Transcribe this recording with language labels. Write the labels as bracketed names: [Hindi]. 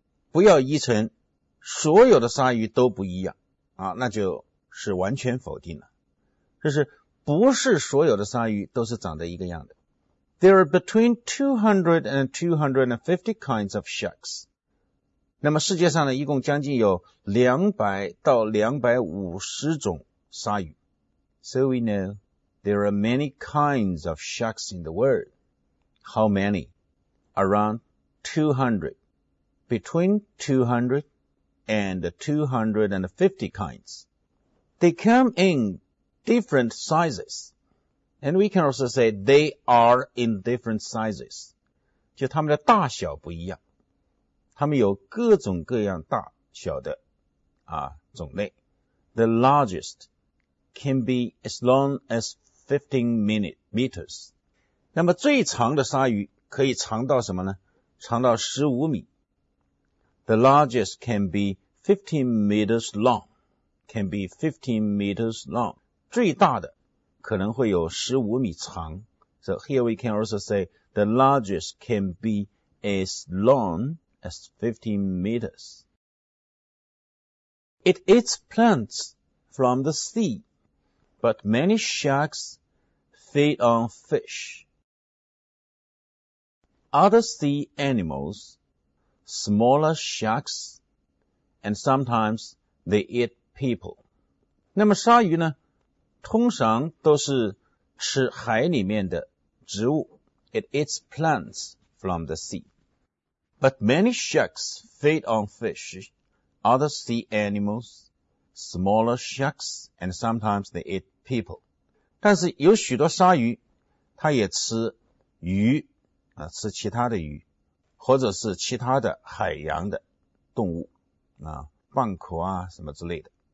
[Chinese] 不要译成所有的鲨鱼都不一样啊，那就是完全否定了。就是不是所有的鲨鱼都是长得一个样的。 [English] There are between 200 and 250 kinds of sharks. [Chinese] 那么世界上呢，一共将近有200到250种鲨鱼。 [English] So we know there are many kinds of sharks in the world. How many? Around 200. Between 200 and 250 kinds. They come in different sizes. And we can also say they are in different sizes. [Chinese] 就他们的大小不一样。他们有各种各样大小的啊种类。 [English] The largest can be as long as 15 meters. [Chinese] 那么最长的鲨鱼可以长到什么呢？长到15米。 [English] The largest can be 15 meters long. Can be 15 meters long. [Chinese] 最大的可能会有15米长。 [English] So here we can also say the largest can be as long as 15 meters. It eats plants from the sea, but many sharks feed on fish. Other sea animals, smaller sharks, and sometimes they eat people. [Chinese] 那么鲨鱼呢？通常都是吃海里面的植物。 [English] It eats plants from the sea. But many sharks feed on fish, other sea animals, smaller sharks, and sometimes they eat people. [Chinese] 但是有许多鲨鱼它也吃鱼、吃其他的鱼或者是其他的海洋的动物啊，蚌壳啊什么之类的。